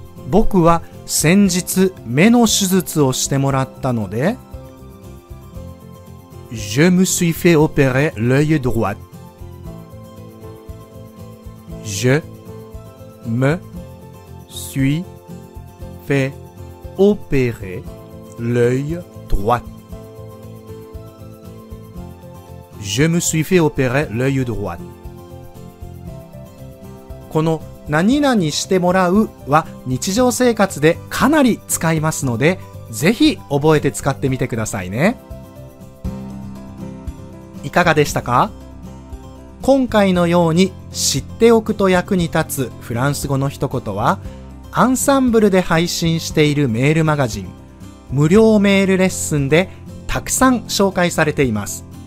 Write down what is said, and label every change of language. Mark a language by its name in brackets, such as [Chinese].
[Japanese] 僕は先日目の手術をしてもらったので [French] Je me suis fait opérer l'œil droit. Je me suis fait opérer l'œil droit. Je me suis fait opérer l'œil droit. [Japanese] この何々してもらうは日常生活でかなり使いますので、ぜひ覚えて使ってみてくださいね。いかがでしたか？今回のように知っておくと役に立つフランス語の一言は、アンサンブルで配信しているメールマガジン、無料メールレッスンでたくさん紹介されています。